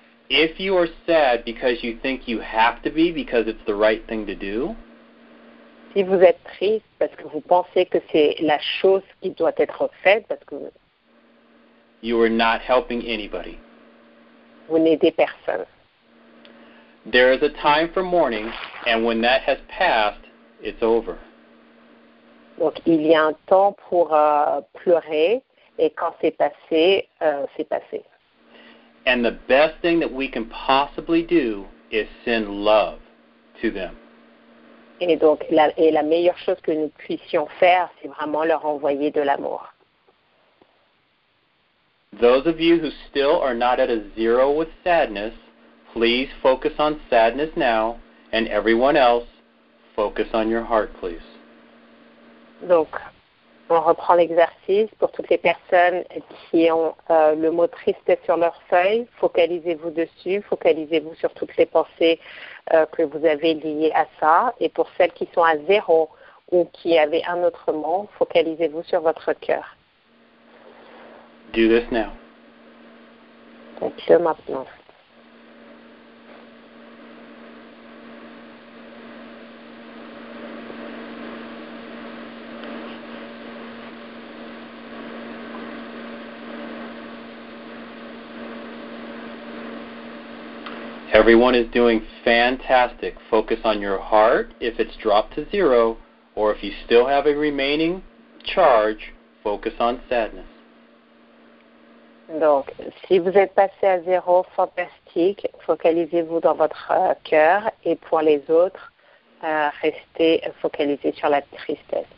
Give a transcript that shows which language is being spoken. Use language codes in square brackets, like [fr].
[en] If you are sad because you think you have to be because it's the right thing to do, [fr] si vous êtes triste parce que vous pensez que c'est la chose qui doit être faite parce que [en] you are not helping anybody. [fr] Vous n'aidez personne. [en] There is a time for mourning, and when that has passed, it's over. [fr] Donc, il y a un temps pour pleurer, et quand c'est passé, c'est passé. [en] And the best thing that we can possibly do is send love to them. [fr] Et donc, la meilleure chose que nous puissions faire, c'est vraiment leur envoyer de l'amour. [en] Those of you who still are not at a zero with sadness, please focus on sadness now, and everyone else, focus on your heart, please. [fr] Donc, on reprend l'exercice pour toutes les personnes qui ont le mot tristesse sur leur feuille. Focalisez-vous dessus, focalisez-vous sur toutes les pensées que vous avez liées à ça. Et pour celles qui sont à zéro ou qui avez un autre mot, focalisez-vous sur votre cœur. [en] Do this now. [fr] Faites-le maintenant. [en] Everyone is doing fantastic. Focus on your heart. If it's dropped to zero, or if you still have a remaining charge, focus on sadness. [fr] Donc, si vous êtes passé à zéro, fantastique. Focalisez-vous dans votre cœur. Et pour les autres, restez focalisés sur la tristesse.